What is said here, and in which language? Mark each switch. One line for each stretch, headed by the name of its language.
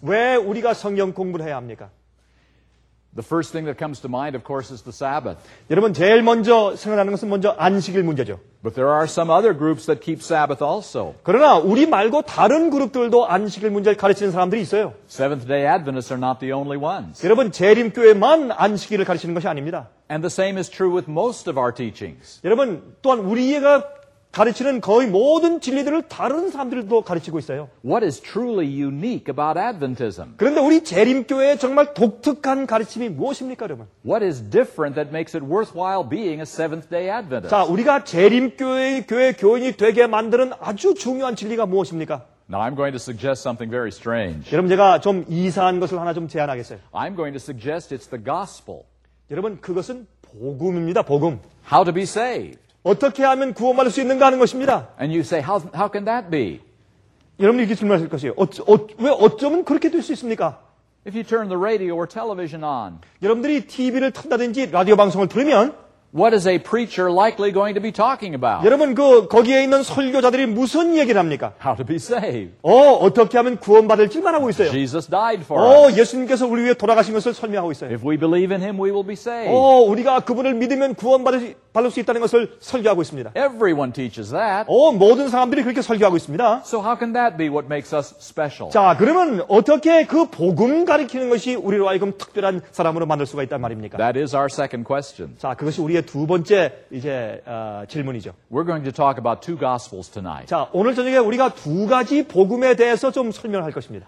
Korean: 왜 우리가 성경 공부를 해야 합니까?
English: The first thing that comes to mind, of course, is the Sabbath.
Korean: 여러분 제일 먼저 생각나는 것은 먼저 안식일 문제죠.
English: But there are some other groups that keep Sabbath also.
Korean: 그러나 우리 말고 다른 그룹들도 안식일 문제를 가르치는 사람들이 있어요.
English: Seventh-day Adventists are not the only ones.
Korean: 여러분 재림교회만 안식일을 가르치는 것이 아닙니다.
English: And the same is true with most of our teachings.
Korean: 여러분 또한 우리가 가르치는 거의 모든 진리들을 다른 사람들도 가르치고 있어요.
English: What is truly unique about Adventism?
Korean: 그런데 우리 재림교회의 정말 독특한 가르침이 무엇입니까, 여러분?
English: What is different that makes it worthwhile being a Seventh-day Adventist?
Korean: 자, 우리가 재림교회의 교회 교인이 되게 만드는 아주 중요한 진리가 무엇입니까?
English: Now I'm going to suggest something very strange.
Korean: 여러분 제가 좀 이상한 것을 하나 좀 제안하겠어요.
English: I'm going to suggest it's the gospel.
Korean: 여러분 그것은 복음입니다, 복음.
English: How to be saved?
Korean: 어떻게 하면 구원받을 수 있는가 하는 것입니다.
English: And you say, how can that be?
Korean: 여러분이 이렇게 질문하실 것이에요. 어쩌면 그렇게 될 수 있습니까?
English: If you turn the radio or television on.
Korean: 여러분들이 TV를 튼다든지 라디오 방송을 들으면
English: What is a preacher likely going to be talking about?
Korean: 여러분 그 거기에 있는 설교자들이 무슨 얘기를 합니까?
English: How to be saved?
Korean: 어떻게 하면 구원받을지 말하고 있어요.
English: Jesus died for us.
Korean: 예수님께서 우리 위해 돌아가신 것을 설명하고 있어요.
English: If we believe in him, we will be saved.
Korean: 우리가 그분을 믿으면 구원받을 수 있다는 것을 설교하고 있습니다.
English: Everyone teaches that.
Korean: 모든 사람들이 그렇게 설교하고 있습니다.
English: So how can that be what makes us special?
Korean: 자, 그러면 어떻게 그 복음 가르치는 것이 우리로 하여금 특별한 사람으로 만들 수가 있단 말입니까?
English: That is our second question.
Korean: 자, 그것이 우리 두 번째 이제 질문이죠.
English: We're going to talk about two gospels tonight.
Korean: 자, 오늘 저녁에 우리가 두 가지 복음에 대해서 좀 설명할 것입니다.